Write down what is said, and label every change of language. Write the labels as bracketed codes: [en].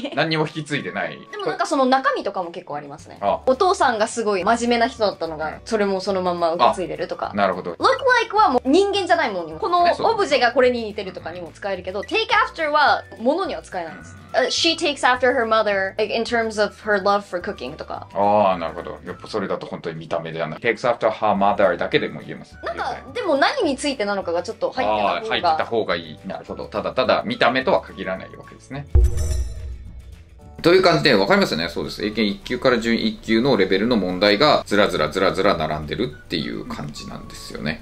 [ja] 何にも引き継いでない。でもなんかその中身とかも結構ありますね。お父さんがすごい真面目な人だったのが、それもそのまま受け継いでるとか。なるほど。 look like はもう人間じゃないものにも、このオブジェがこれに似てるとかにも使えるけど、 take after は物には使えないんです。 [en] She takes after her mother in terms of her love for cooking とか。 [ja] ああ、なるほど。やっぱそれだと本当に見た目ではない。 [en] Takes after her mother [ja] だけでも言えます。なんか、でも何についてなのかがちょっと入ってた方が。入ってた方がいい。なるほど。ただただ見た目とは限らないわけですね。という感じで、わかりますよね。そうです。英検1級から準1級のレベルの問題が、ずらずらずらずら並んでるっていう感じなんですよね。